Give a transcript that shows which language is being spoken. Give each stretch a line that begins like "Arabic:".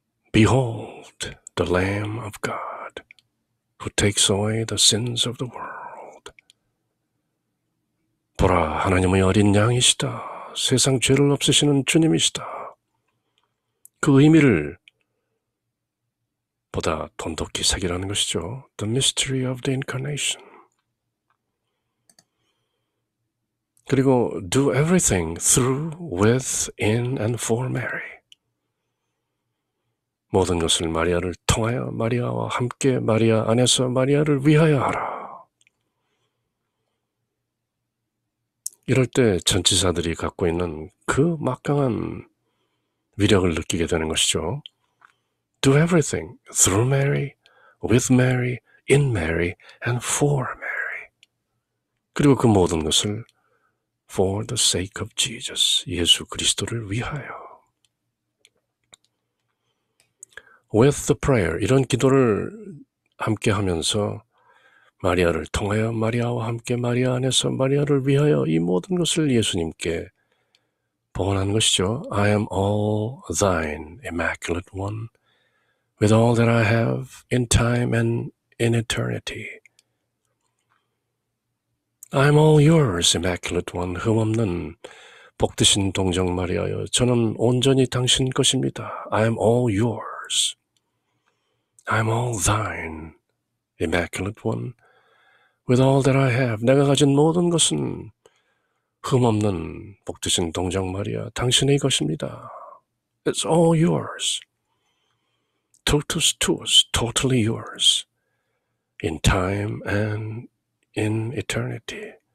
English: Behold the Lamb of God who takes away the sins of the world.
Korean: 보라, 하나님의 어린 양이시다. 세상 죄를 없애시는 주님이시다. 그 의미를 보다 돈독히 새기라는 것이죠.
English: The mystery of the incarnation.
Korean: 그리고
English: do everything through, with, in, and for Mary.
Korean: 모든 것을 마리아를 통하여 마리아와 함께 마리아 안에서 마리아를 위하여 하라. 이럴 때 전치사들이 갖고 있는 그 막강한 위력을 느끼게 되는 것이죠.
English: Do everything through Mary, with Mary, in Mary, and for Mary.
Korean: 그리고 그 모든 것을
English: for the sake of Jesus,
Korean: 예수 그리스도를 위하여.
English: With the prayer,
Korean: 이런 기도를 함께 하면서 마리아를 통하여 마리아와 함께 마리아 안에서 마리아를 위하여 이 모든 것을 예수님께 봉헌한 것이죠.
English: I am all thine, Immaculate One, with all that I have in time and in eternity. I am all yours, Immaculate One,
Korean: 흠없는 복되신 동정 마리아여, 저는 온전히 당신 것입니다.
English: I am all yours. I'm all thine, Immaculate One, with all that I have.
Korean: 내가 가진 모든 것은 흠없는 복되신 동정 마리아, 당신의 것입니다.
English: It's all yours.
Latin: Totus tuus,
English: totally yours. In time and in eternity.